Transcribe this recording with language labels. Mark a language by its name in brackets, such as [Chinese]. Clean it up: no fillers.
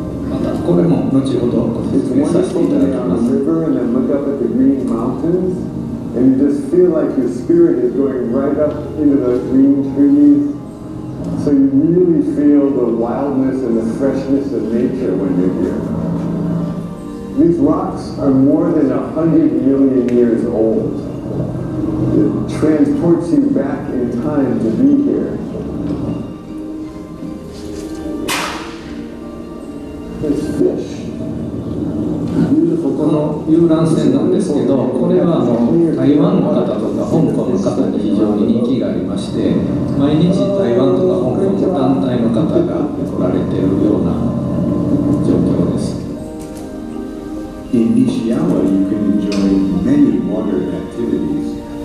[Japanese] またこれも後ほどご説明させていただきます。 [English] It's wonderful to be on the river and then look up at the green mountains and you just feel like your spirit is going right up into the green trees. So you really feel the wildness and the freshness of nature when you're here. These rocks are more than 100 million years old. It transports you back in time to be here. This fish. Beautiful. [Japanese] この遊覧船なんですけど、これは台湾の方とか香港の方に非常に人気がありまして、毎日台湾とか香港の団体の方が来られているような状況です。 [English] In Nishiyama, you can enjoy many water activites